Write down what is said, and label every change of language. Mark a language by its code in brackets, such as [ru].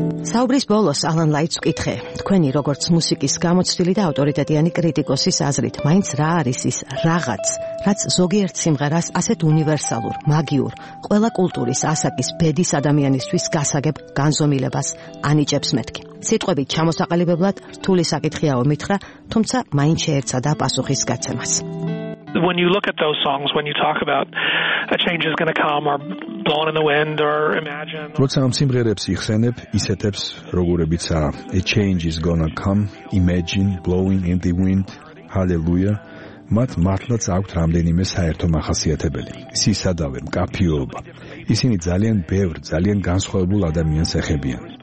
[ka] საუბრის ბოლოს ალან ლაიტს ვკითხე, თქვენი როგორც მუსიკის გამოცდილი და ავტორიტეტიანი კრიტიკოსის აზრით, მაინც რა არის ის რაღაც, რაც ზოგიერთ სიმღერას ასეთ უნივერსალურ, მაგიურ, ყველა კულტურის ასაკის ბედის ადამიანისთვის გასაგებ განზომილებას ანიჭებს მეთქი? სიტყვები ჩამოსაყალიბებლად რთული საკითხიაო მითხრა, თუმცა მაინც შეერცადა პასუხის გაცემას. [en] When you look at those songs, when you talk about a change is going to come or blown in the wind or imagine, [ka] როცა ამ სიმღერებს იხსენებ, ისეთებს როგორებიცაა a change is going to come, imagine, blowing in the wind, hallelujah, მათ მართლაც აქვთ რამდენიმე საერთო მახასიათებელი. სისადავე, მკაფიობა. ისინი ძალიან ბევრ, ძალიან განსხვავებულ ადამიანს ეხებიან.